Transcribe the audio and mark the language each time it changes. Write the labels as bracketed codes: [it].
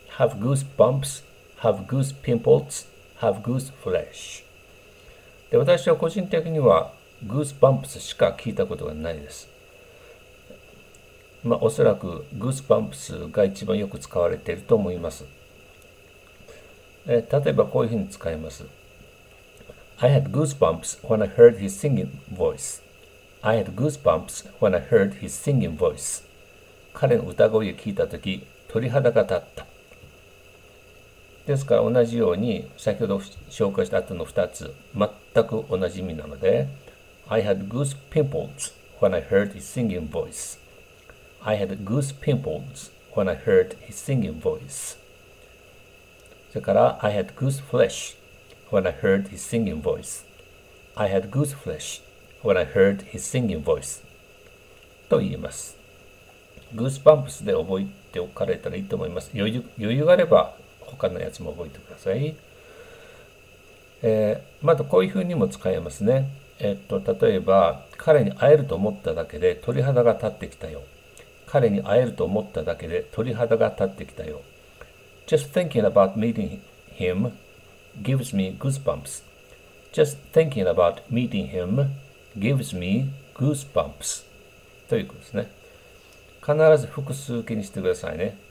[en] Have goose bumps, have goose pimples, have goose flesh。 [ja] で、私は個人的には goose bumps しか聞いたことがないです。まあ、おそらく goose bumps が一番よく使われていると思います。例えばこういうふうに使います。 [en] I had goose bumps when I heard his singing voice. I had goose bumps when I heard his singing voice. [ja] 彼の歌声を聞いたとき鳥肌が立った。ですから同じように先ほど紹介した後の2つ全く同じ意味なので、 [en] I had goose pimples when I heard his singing voice. I had goose pimples when I heard his singing voice. [ja] それから [en] I had goose flesh when I heard his singing voice. I had goose flesh when I heard his singing voice. [ja] と言います。goose bumps で覚えておかれたらいいと思います。余裕があれば他のやつも覚えてください。またこういうふうにも使えますね。例えば彼に会えると思っただけで鳥肌が立ってきたよ。彼に会えると思っただけで鳥肌が立ってきたよ。 [en] Just thinking about meeting him gives me goosebumps. Just thinking about meeting him gives me goosebumps. [ja] ということですね。必ず複数形にしてくださいね。